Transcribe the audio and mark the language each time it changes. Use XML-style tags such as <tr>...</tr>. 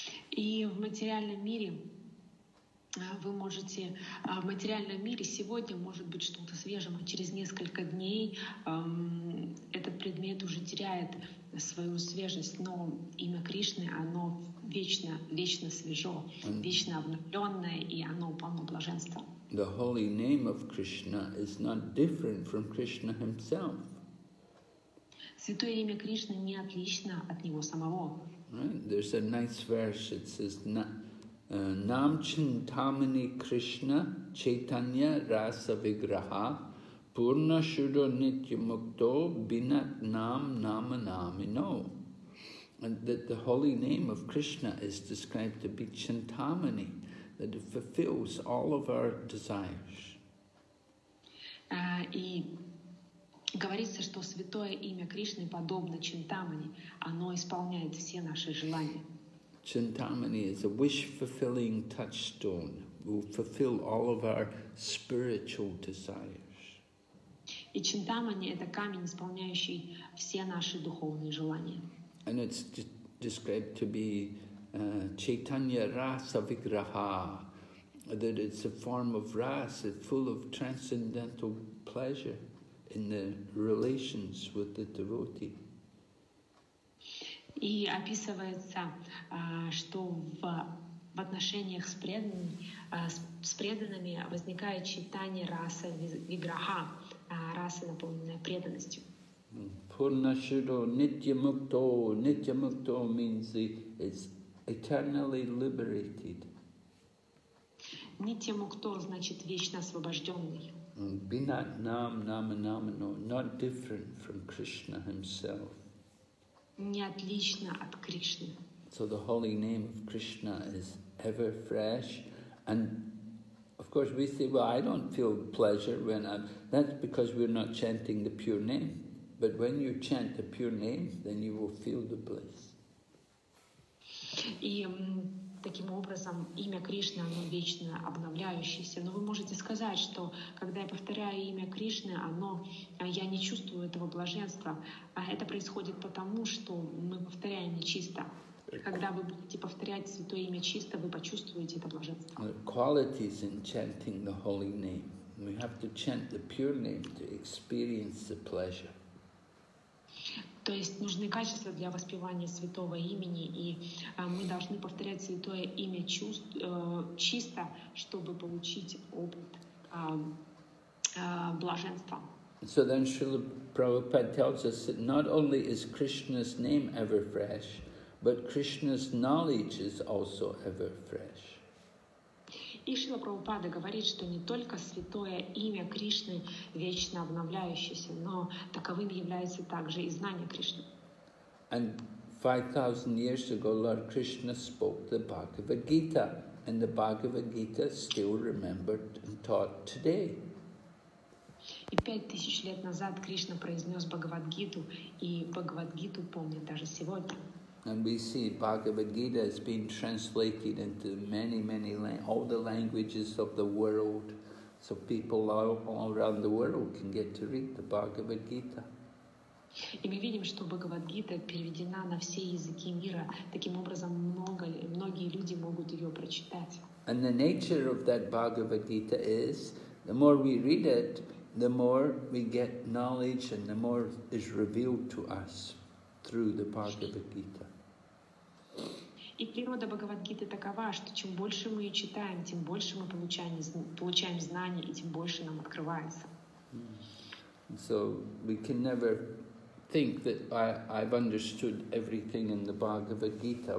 <ru>И в материальном мире вы можете, в материальном мире сегодня может быть что-то свежим, а через несколько дней этот предмет уже теряет свою свежесть. Но имя Кришны, оно вечно, вечно свежо, вечно обновленное, и оно полно блаженства.</ru> <en>The holy name of Krishna is not different from Krishna himself.</en> <ru>Святое имя Кришны не отлично от него самого.</ru> <en>Right? There's a nice verse. It says,</en> <sa>"Nam Chintamani Krishna Chaitanya Rasa Vigraha Purna Shuddha Nitya Mukto Binat Nam Nama Namino."</sa> <en>And that the holy name of Krishna is described to be Chintamani, that it fulfills all of our desires.</en> <ru>И говорится, что святое имя Кришны подобно Чинтамани, оно исполняет все наши желания.</ru> <en>Chintamani is a wish-fulfilling touchstone. Will fulfill all of our spiritual desires.</en> <ru>И Чинтамани — это камень, исполняющий все наши духовные желания.</ru> <en>And it's described to be Chaitanya Rasa Vigraha, that it's a form of rasa, full of transcendental pleasure in the relations with the devotee.</en> <ru>И описывается, что в отношениях с преданными, возникает читание раса виграха, раса, наполненная преданностью.</ru> <en>Пурнашидо нитья-мукто. Нитья-мукто means it's eternally liberated.</en> <ru>Нитья-мукто значит вечно освобожденный.</ru> <en>Бинат-нам нама-намано, not different from Krishna himself.</en> <ru>Не отлично от Кришны.</ru> <en>So the holy name of Krishna is ever fresh, and of course we say, well, I don't feel pleasure when I'm, that's because we're not chanting the pure name, but when you chant the pure name, then you will feel the bliss.</en> <ru>И таким образом имя Кришны, оно вечно обновляющееся, но вы можете сказать, что когда я повторяю имя Кришны, оно, я не чувствую этого блаженства, а это происходит потому, что мы повторяем нечисто. Когда вы будете повторять святое имя чисто, вы почувствуете это блаженство.</ru> <en>Qualities in chanting the holy name. We have to chant the pure name to experience the pleasure.</en> <ru>То есть нужны качества для воспевания святого имени, и мы должны повторять святое имя чисто, чтобы получить опыт блаженства.</ru> <en>So then Srila Prabhupada tells us that not only is Krishna's name ever fresh, but Krishna's knowledge is also ever fresh.</en> <ru>И Шрила Прабхупада говорит, что не только святое имя Кришны вечно обновляющееся, но таковым является также и знание Кришны.</ru> <en>And 5,000 years ago, Lord Krishna spoke the Bhagavad Gita, and the Bhagavad Gita still remembered and taught today.</en> <ru>И 5,000 лет назад Кришна произнес Бхагавад-гиту, и Бхагавад-гиту помнит даже сегодня.</ru> <en>And we see Bhagavad Gita has been translated into many, many all the languages of the world, so people all around the world can get to read the Bhagavad Gita.</en> <ru>И мы видим, что Бхагавад Гита переведена на все языки мира. Таким образом, многие люди могут ее прочитать.</ru> <en>And the nature of that Bhagavad Gita is, the more we read it, the more we get knowledge, and the more is revealed to us through the Bhagavad Gita.</en> <ru>И природа Бхагавад Гиты такова, что чем больше мы ее читаем, тем больше мы получаем знания, и тем больше нам открывается.</ru> <en>So we can never think that I've understood everything in the Bhagavad Gita.</en>